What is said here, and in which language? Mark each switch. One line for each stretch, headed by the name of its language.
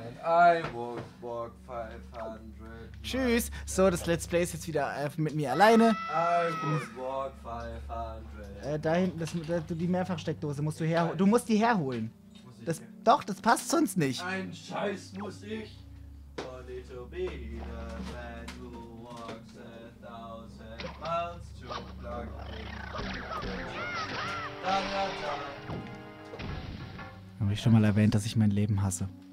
English: And I walk 500.
German: Tschüss. So, das Let's Play ist jetzt wieder mit mir alleine.
English: Walk 500.
German: Da hinten, die Mehrfachsteckdose musst du herholen. Du musst die herholen. Doch, das passt sonst nicht. Ein Scheiß muss ich.
English: For little be the man who walks a thousand miles to plug in.
German: Habe ich schon mal erwähnt, dass ich mein Leben hasse.